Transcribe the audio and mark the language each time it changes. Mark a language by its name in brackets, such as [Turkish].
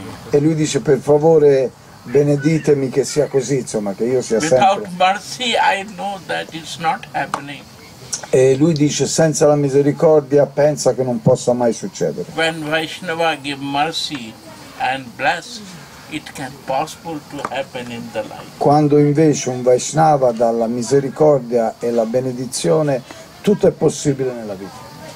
[Italian] lui dice, per favore beneditemi che sia così, insomma, che io sia [English] without [Italian] sempre. [English] Mercy, I know that it's not happening. [Italian] E lui dice, senza la misericordia pensa che non possa mai succedere. [English] When Vaishnava give mercy and bless, it can possible to happen in the life. [Italian] Quando invece un Vaishnava dà la misericordia e la benedizione, tutto è possibile nella vita.